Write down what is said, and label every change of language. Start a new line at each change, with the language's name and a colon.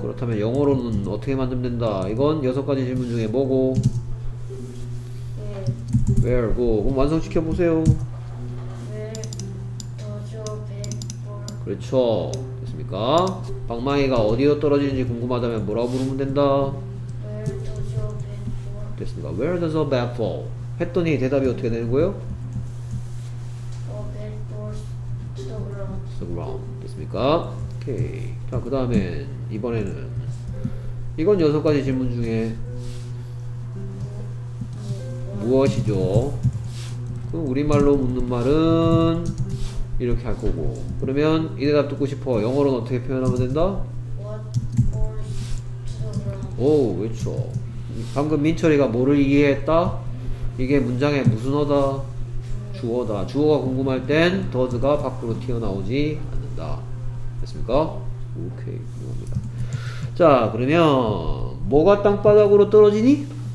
Korean: 그렇다면 영어로는 어떻게 만들면 된다? 이건 여섯 가지 질문 중에 뭐고?
English: Where go?
Korean: 그럼 완성시켜 보세요.
English: Where does your bat fall?
Korean: 그렇죠. 됐습니까? 방망이가 어디로 떨어지는지 궁금하다면 뭐라고 부르면 된다?
English: Where does your bat fall?
Korean: 됐습니까?
English: Where does a bat fall?
Korean: 했더니 대답이 어떻게 되는 거예요?
English: A bat falls to the ground. To the ground.
Korean: 됐습니까? 오케이. 자, 그 다음에 이번에는 이건 여섯 가지 질문 중에 무엇이죠? 그럼 우리말로 묻는 말은 이렇게 할 거고. 그러면 이 대답 듣고 싶어. 영어로는 어떻게 표현하면 된다?
English: What falls to the ground?
Korean: 오, 그렇죠. 방금 민철이가 뭐를 이해했다? 이게 문장의 무슨 어다? 주어다. 주어가 궁금할 땐 더즈가 밖으로 튀어나오지 않는다. 됐습니까? 오케이. 궁금합니다. 자, 그러면 뭐가 땅바닥으로 떨어지니?